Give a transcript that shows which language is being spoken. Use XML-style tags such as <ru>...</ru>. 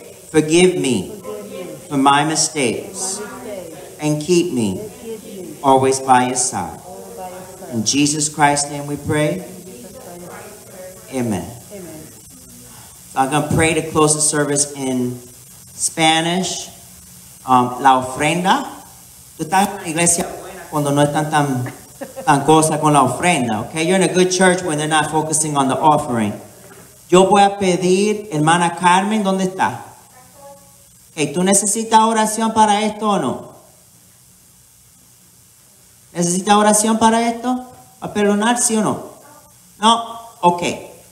<en>Forgive me for my mistakes and keep me always by your side. In Jesus Christ's name we pray. Amen. I'm going to pray to close the service in Spanish.</en> <es>La ofrenda. Tú estás en una iglesia buena cuando no están tan cosa con la ofrenda.</es> <en>Okay? You're in a good church when they're not focusing on the offering.</en> <es>Yo voy a pedir, hermana Carmen, ¿dónde está? Okay, ¿tú necesitas oración para esto o no? ¿Necesitas oración para esto? ¿Para perdonar, sí o no? No. Okay.</es>